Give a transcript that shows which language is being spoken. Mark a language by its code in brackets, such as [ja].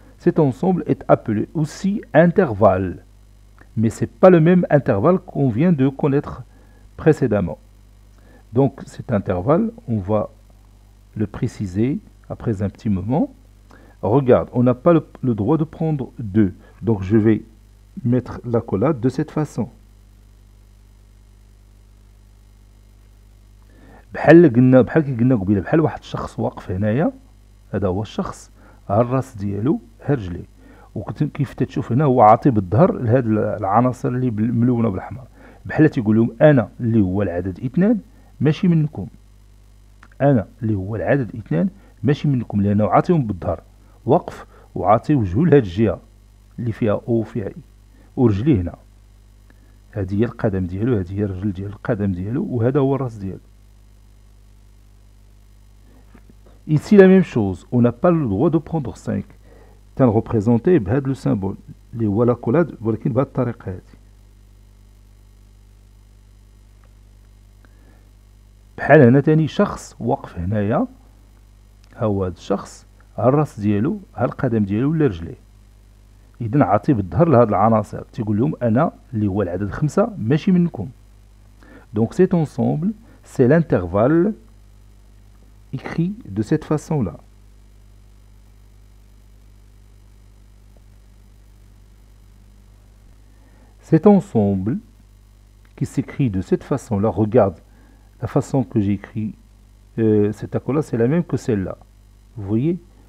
[fr] Cet ensemble est appelé aussi intervalle, mais c'est pas le même intervalle qu'on vient de connaître précédemment. Donc cet intervalle, on va le préciser après un petit moment. Regarde, on n'a pas le droit de prendre 2, donc je vais mettre l'accolade de cette façon. [ar] بحال كي قلنا قبيله، بحال واحد الشخص واقف هنايا، هذا هو الشخص، ها الراس ديالو، ها رجليه، وكيف تتشوف هنا هو عاطي بالظهر لهاد العناصر اللي ملونه بالاحمر، بحال تيقول لهم انا اللي هو العدد اثنان ماشي منكم، انا اللي هو العدد اثنان ماشي منكم، لانه عاطيهم بالظهر، واقف وعاطي وجهه لهاد الجهه اللي فيها او فيها اي، ورجليه هنا، هذه هي القدم ديالو، هذه هي الرجل ديال القدم ديالو، وهذا هو الراس ديالو. [fr] Ici la même chose, on n'a pas le droit de prendre 5. T'as représenté bien le symbole. Les voilà collades, voilà qu'il va t'arrêter. Bien, on a un [ar] شخص واقف هنايا. هو هذا الشخص على الراس ديالو، على القدم ديالو ولا رجليه. إذن عطي بالظهر لهاد العناصر، تيقول لهم أنا اللي هو العدد 5 ماشي منكم. [fr] Donc cet ensemble, c'est l'intervalle écrit de cette façon-là. Cet ensemble qui s'écrit de cette façon-là, regarde la façon que j'ai écrit cet accolade, c'est la même que celle-là. Vous voyez?